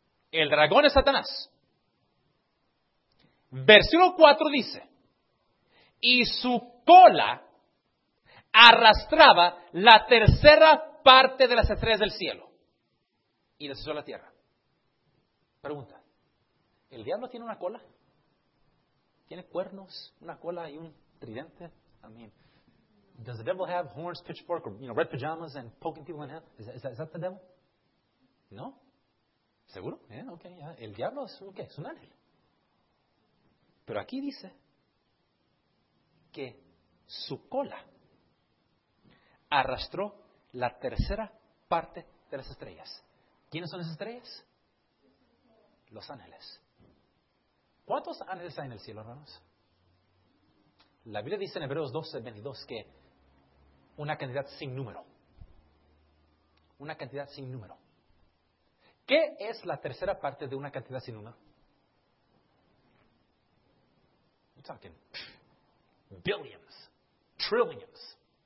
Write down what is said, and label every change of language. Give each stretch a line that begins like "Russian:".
Spanish: El dragón es Satanás. Versículo 4 dice, y su cola arrastraba la tercera parte de las estrellas del cielo y las echó a la tierra. Pregunta, ¿el diablo tiene una cola? ¿Tiene cuernos, una cola y un tridente?
English: I mean, Does the devil have horns, pitchfork, or you know, red pajamas and poking people in hell? Is that the devil? No.
Spanish: ¿Seguro? Okay. El diablo es un qué? Es un ángel. Pero aquí dice que su cola arrastró la tercera parte de las estrellas. ¿Quiénes son esas estrellas? Los ángeles. ¿Cuántos ángeles hay en el cielo, hermanos? La Biblia dice en Hebreos 12, 22 que una cantidad sin número. Una cantidad sin número. ¿Qué es la tercera parte de una cantidad sin número?
English: We're talking billions, trillions.